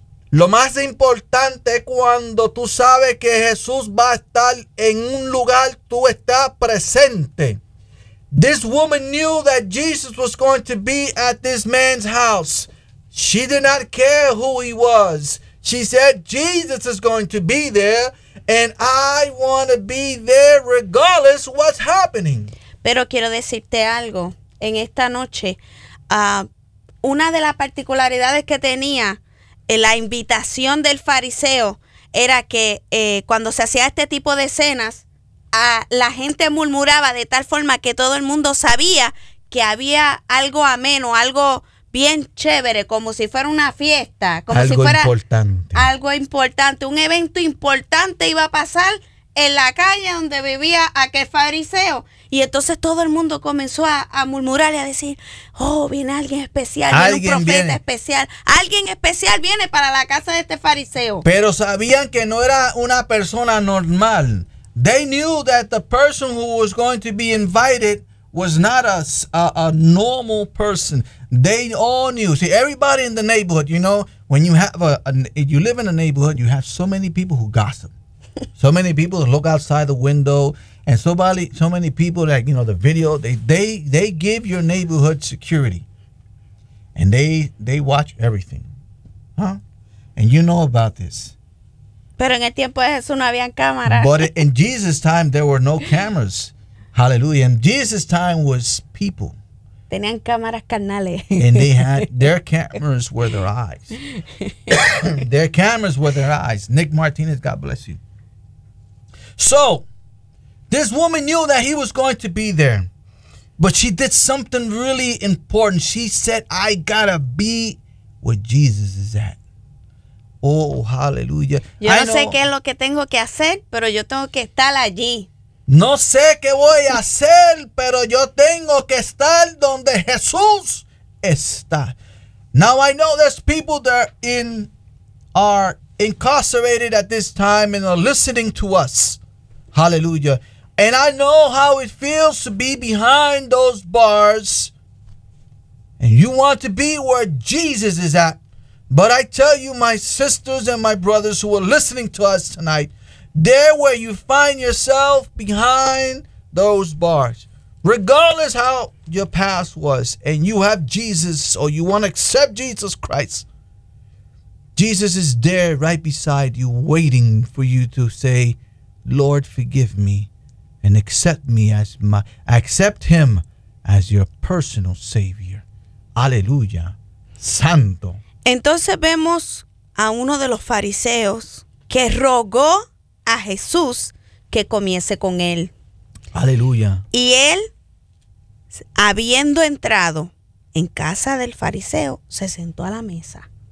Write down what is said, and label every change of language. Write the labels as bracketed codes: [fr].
[es] Lo más importante es cuando tú sabes que Jesús va a estar en un lugar, tú estás presente. [en] This woman knew that Jesus was going to be at this man's house. She did not care who he was. She said, Jesus is going to be there, and I want to be there regardless what's happening. [es] Pero quiero decirte algo. En esta noche, una de las particularidades que tenía la invitación del fariseo era que cuando se hacía este tipo de cenas, la gente murmuraba de tal forma que todo el mundo sabía que había algo ameno, algo bien chévere, como si fuera una fiesta, como algo si fuera importante. Algo importante, un evento importante iba a pasar en la calle donde vivía aquel fariseo. Y entonces todo el mundo comenzó a murmurar y a decir, oh, viene alguien especial, alguien especial viene para la casa de este fariseo. Pero sabían que no era una persona normal. [en] They knew that the person who was going to be invited was not a normal person. They all knew. See, everybody in the neighborhood, you know, when you have if you live in a neighborhood, you have so many people who gossip. So many people look outside the window, and so many people that, you know, the video, they give your neighborhood security, and they watch everything, huh? And you know about this. [es] Pero en el tiempo de Jesús no habían cámaras. [en] But in Jesus' time, there were no cameras. Hallelujah. In Jesus' time was people. [es] Tenían cámaras carnales. [en] And they had, their cameras were their eyes. Their cameras were their eyes. Nick Martinez, God bless you. So, this woman knew that he was going to be there. But she did something really important. She said, I gotta be where Jesus is at. Oh, hallelujah. [es] Yo no sé qué es lo que tengo que hacer, pero yo tengo que estar allí. No sé qué voy a hacer, pero yo tengo que estar donde Jesús está. [en] Now I know there's people that are incarcerated at this time and are listening to us. Hallelujah. And I know how it feels to be behind those bars. And you want to be where Jesus is at. But I tell you, my sisters and my brothers who are listening to us tonight, there where you find yourself behind those bars, regardless how your past was, and you have Jesus, or you want to accept Jesus Christ, Jesus is there right beside you, waiting for you to say, Lord, forgive me, and accept me as my, accept him as your personal Savior. [es] Aleluya. Santo. Entonces vemos a uno de los fariseos que rogó a Jesús que comiese con él. Aleluya. Y él, habiendo entrado en casa del fariseo, se sentó a la mesa.